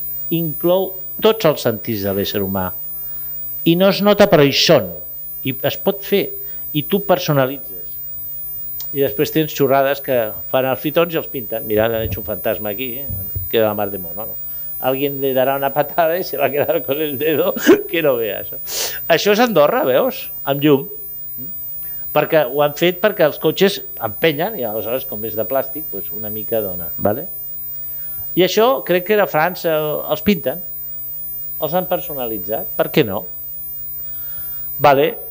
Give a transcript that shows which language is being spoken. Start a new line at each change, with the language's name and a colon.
Catalan: Inclou tots els sentits de l'ésser humà. I no es nota, però hi són. I es pot fer. I tu personalitzes. I després tens xurrades que fan els fitons i els pinten.
Spanish: Mira, han hecho un fantasma aquí, queda la mar de mono. No? Alguien le dará una patada y se va a quedar con el dedo que no vea això.
Catalan: Això és Andorra, veus? Amb llum. Perquè ho han fet perquè els cotxes empenyen i aleshores com és de plàstic, pues una mica dona. ¿Vale? I això crec que era França, els pinten, els han personalitzat, per què no? ¿Vale?